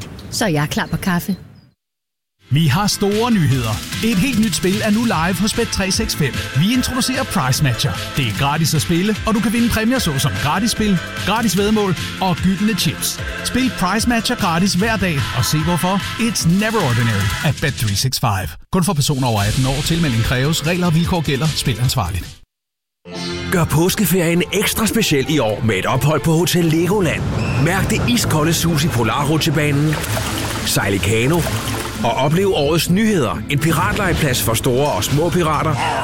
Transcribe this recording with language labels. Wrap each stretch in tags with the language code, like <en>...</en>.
<da>Så jeg er klar på kaffe. Vi har store nyheder. Et helt nyt spil er nu live hos Bet365. Vi introducerer Price Matcher. Det er gratis at spille, og du kan vinde præmier såsom gratis spil, gratis væddemål og gyldne chips. Spil Price Matcher gratis hver dag og se hvorfor.</da> <en>It's never ordinary at Bet365.</en> <da>Kun for personer over 18 år. Tilmelding kræves. Regler og vilkår gælder. Spil ansvarligt. Gør påskeferien ekstra speciel i år med et ophold på Hotel Legoland. Mærk det iskolde sus i polarrutsjebanen. Sejl i kano. Og oplev årets nyheder. En piratlejeplads for store og små pirater.</da>